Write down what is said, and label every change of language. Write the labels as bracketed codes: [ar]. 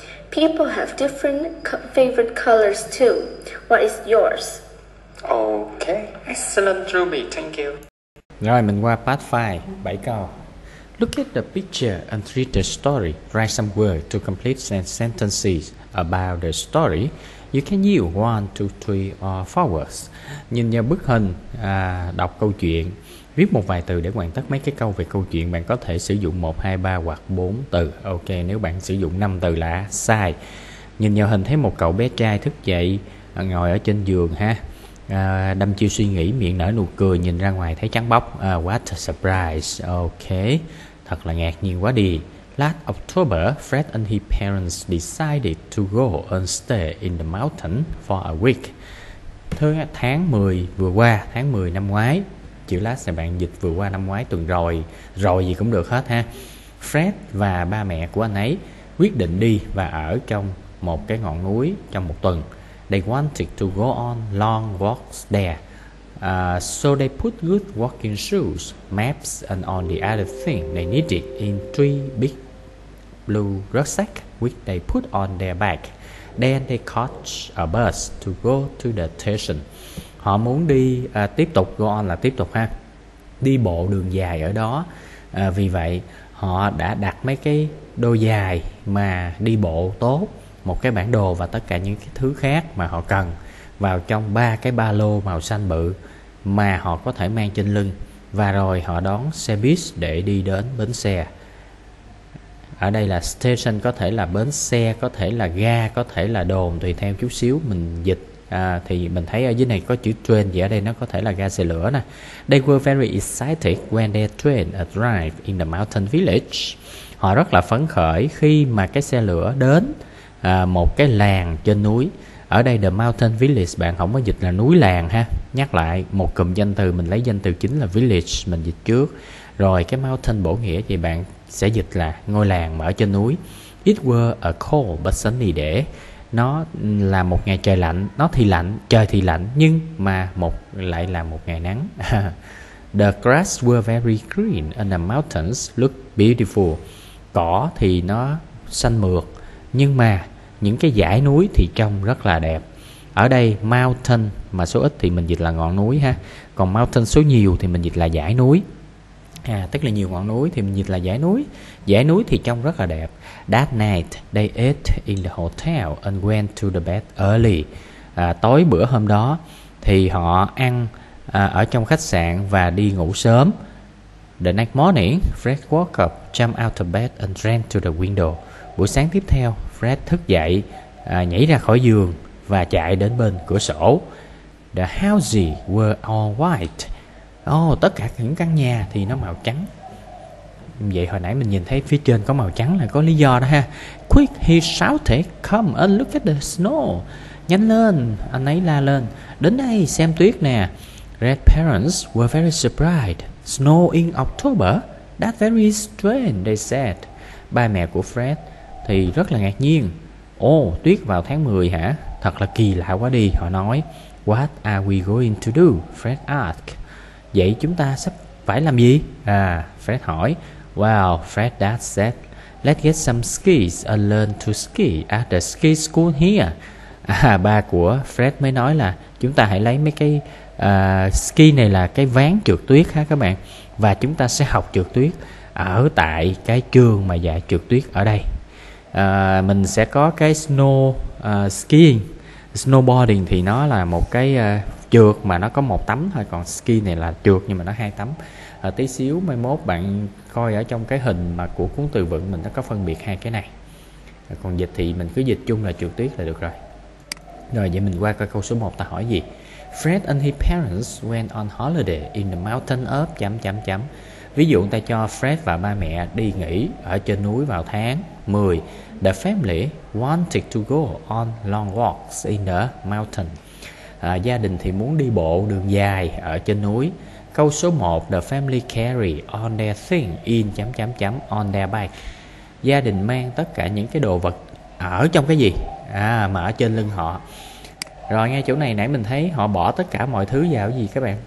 [en] People have different favorite colors too. What is yours? Okay, excellent, Ruby. Thank you. [vi] Rồi, mình qua part 5, 7 câu. [en] Look at the picture and read the story. Write some words to complete sentences about the story. You can use 1, 2, 3, or 4 words. [vi] Nhìn vào bức hình, đọc câu chuyện, viết một vài từ để hoàn tất mấy cái câu về câu chuyện. Bạn có thể sử dụng 1, 2, 3 hoặc 4 từ. Ok, nếu bạn sử dụng 5 từ là sai. Nhìn vào hình thấy một cậu bé trai thức dậy, ngồi ở trên giường ha. Đâm chiêu suy nghĩ, miệng nở nụ cười, nhìn ra ngoài thấy trắng bóc. [en] What a surprise. [vi] Ok, thật là ngạc nhiên quá đi. [en] Last October, Fred and his parents decided to go and stay in the mountain for a week. [vi] Tháng 10 vừa qua, tháng 10 năm ngoái. Chữ last này bạn dịch vừa qua, năm ngoái, tuần rồi, rồi gì cũng được hết ha. Fred và ba mẹ của anh ấy quyết định đi và ở trong một cái ngọn núi trong một tuần. [en] They wanted to go on long walks there. So they put good walking shoes, maps, and all the other things they needed in three big blue rucksack, which they put on their back. Then they caught a bus to go to the station. [vi] Họ muốn đi tiếp tục, go on là tiếp tục ha, đi bộ đường dài ở đó. Vì vậy họ đã đặt mấy cái đôi giày mà đi bộ tốt, một cái bản đồ và tất cả những cái thứ khác mà họ cần vào trong ba cái ba lô màu xanh bự mà họ có thể mang trên lưng, và rồi họ đón xe buýt để đi đến bến xe. Ở đây là station, có thể là bến xe, có thể là ga, có thể là đồn, tùy theo chút xíu mình dịch. Thì mình thấy ở dưới này có chữ train, thì ở đây nó có thể là ga xe lửa nè. [en] They were very excited when their train arrived in the mountain village. [vi] Họ rất là phấn khởi khi mà cái xe lửa đến một cái làng trên núi. Ở đây the mountain village bạn không có dịch là núi làng ha. Nhắc lại một cụm danh từ, mình lấy danh từ chính là village mình dịch trước. Rồi cái mountain bổ nghĩa thì bạn sẽ dịch là ngôi làng mà ở trên núi. [en] It were a cold but sunny day. [vi] Nó là một ngày trời lạnh, nó thì lạnh, trời thì lạnh, nhưng mà một lại là một ngày nắng. [en] The grass were very green and the mountains looked beautiful. [vi] Cỏ thì nó xanh mượt, nhưng mà những cái dãy núi thì trông rất là đẹp. Ở đây mountain mà số ít thì mình dịch là ngọn núi ha, còn mountain số nhiều thì mình dịch là dãy núi. Tức là nhiều ngọn núi thì mình dịch là dãy núi. Dãy núi thì trông rất là đẹp. [en] That night they ate in the hotel and went to the bed early. [vi] Tối bữa hôm đó thì họ ăn ở trong khách sạn và đi ngủ sớm. [en] The next morning, Fred woke up, jumped out of bed and ran to the window. [vi] Buổi sáng tiếp theo, Fred thức dậy, nhảy ra khỏi giường và chạy đến bên cửa sổ. [en] The houses were all white. [vi] Tất cả những căn nhà thì nó màu trắng. Vậy hồi nãy mình nhìn thấy phía trên có màu trắng là có lý do đó ha. [en] Quick, he shouted, come and look at the snow. [vi] Nhanh lên, anh ấy la lên, đến đây xem tuyết nè. [en] Red parents were very surprised. Snow in October? That's very strange, they said. [vi] Ba mẹ của Fred thì rất là ngạc nhiên. Ồ, tuyết vào tháng 10 hả? Thật là kỳ lạ quá đi, họ nói. [en] What are we going to do? Fred asked. [vi] Vậy chúng ta sắp phải làm gì? Fred hỏi. [en] Well, Fred Dad said, let's get some skis and learn to ski at the ski school here. [vi] Ba của Fred mới nói là chúng ta hãy lấy mấy cái ski này, là cái ván trượt tuyết ha các bạn, và chúng ta sẽ học trượt tuyết ở tại cái trường mà dạy trượt tuyết ở đây. Mình sẽ có cái skiing, snowboarding thì nó là một cái trượt mà nó có một tấm thôi, còn ski này là trượt nhưng mà nó hai tấm. Tí xíu mai mốt bạn coi ở trong cái hình mà của cuốn từ vựng mình, nó có phân biệt hai cái này. Còn dịch thì mình cứ dịch chung là trượt tuyết là được rồi. Rồi vậy mình qua coi câu số 1 ta hỏi gì. [en] Fred and his parents went on holiday in the mountain of [vi] chấm chấm chấm. Ví dụ người ta cho Fred và ba mẹ đi nghỉ ở trên núi vào tháng 10. [en] The family wanted to go on long walks in the mountain. [vi] Gia đình thì muốn đi bộ đường dài ở trên núi. Câu số 1, [en] the family carry all their things in chấm chấm chấm on their bike. [vi] Gia đình mang tất cả những cái đồ vật ở trong cái gì? Mà ở trên lưng họ. Rồi ngay chỗ này nãy mình thấy họ bỏ tất cả mọi thứ vào gì các bạn?